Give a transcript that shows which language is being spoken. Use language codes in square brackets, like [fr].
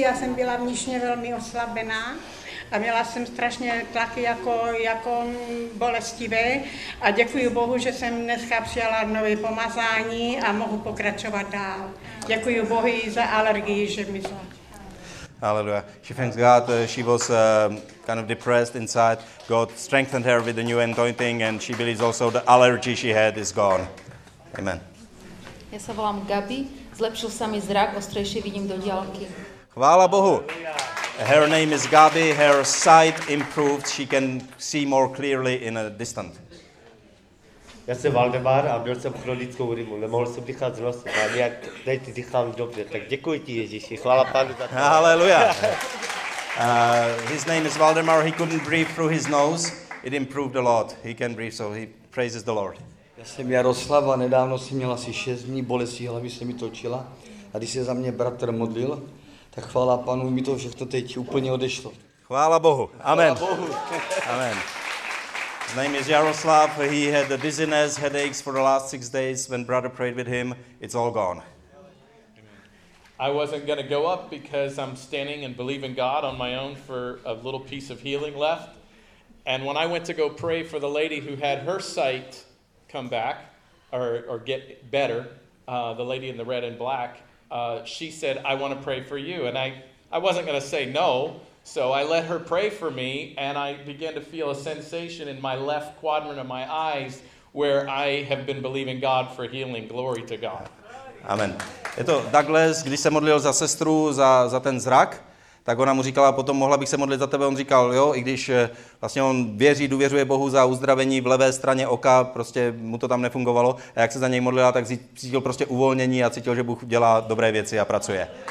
[cs] Já jsem byla vnitřně velmi oslabená a měla jsem strašně tlaky jako bolestivé. A děkuji Bohu, že jsem dneska přijala nové pomazání a mohu pokračovat dál. Děkuji Bohu za alergii, že mi zlá. [en] Hallelujah. She thanks God. She was kind of depressed inside. God strengthened her with the new anointing and she believes also the allergy she had is gone. Amen. [sk] Ja sa volám Gabi. Zlepšil sa mi zrak, ostrejšie vidím do diaľky. [cs] Chvála Bohu. [en] Her name is Gabi. Her sight improved. She can see more clearly in a distant. [sk] Ja som [cs] Valdemar a měl jsem chronickou rýmu, nemohl jsem dýchat z nosu, ale jak teď dýchám dobře, tak děkuji ti Ježíši, chvála Pánu za to. [en] Hallelujah. His name is Valdemar, he couldn't breathe through his nose, it improved a lot, he can breathe, so he praises the Lord. [cs] Ja jsem Jaroslav a nedávno jsem měl asi 6 dní bolesti hlavy, se mi točila a když se za mě bratr modlil, tak chvála Pánu, mi to všechno teď úplně odešlo. Chvála Bohu, amen. Chvála Bohu. [en] Amen. His name is Jaroslav. He had a dizziness, headaches for the last 6 days. When brother prayed with him, it's all gone. I wasn't going to go up because I'm standing and believing God on my own for a little piece of healing left. And when I went to go pray for the lady who had her sight come back or get better, the lady in the red and black, she said, I want to pray for you. And I wasn't going to say no. So I let her pray for me, and I began to feel a sensation in my left quadrant of my eyes where I have been believing God for healing. Glory to God. Amen. [cs] Je to Douglas, když se modlil za sestru, za ten zrak, tak ona mu říkala, potom mohla bych se modlit za tebe. On říkal, jo, i když vlastně on věří, důvěřuje Bohu za uzdravení v levé straně oka, prostě mu to tam nefungovalo. A jak se za něj modlila, tak cítil prostě uvolnění a cítil, že Bůh dělá dobré věci a pracuje.